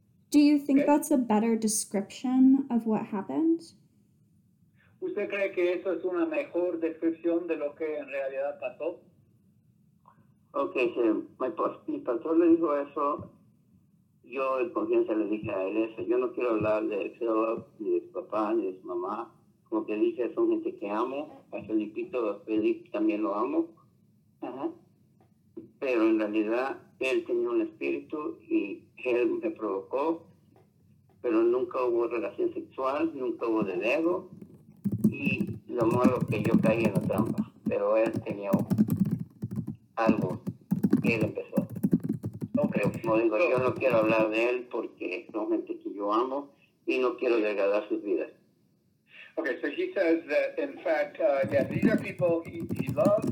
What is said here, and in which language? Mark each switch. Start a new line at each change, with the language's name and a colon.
English: Do you think that's a better description of what happened?
Spanish: ¿Usted cree que eso es una mejor descripción de lo que en realidad pasó? Okay, sí. Mi pastor le dijo eso. Yo en confianza le dije a él eso. Yo no quiero hablar de Philip, ni de su papá, ni de su mamá, como te dije, son gente que amo. A Felipito, a Felipe también lo amo. Pero en realidad él tenía un espíritu y él me provocó, pero nunca hubo relación sexual, nunca hubo de dedo, y lo malo que yo caí en la trampa, pero él tenía algo que él empezó.
English: Okay.
Spanish: Pero, como digo, yo no quiero hablar de él porque es una gente que yo amo y no quiero degradar sus vidas.
English: Okay, so he says that, in fact, yeah, these are people he loves.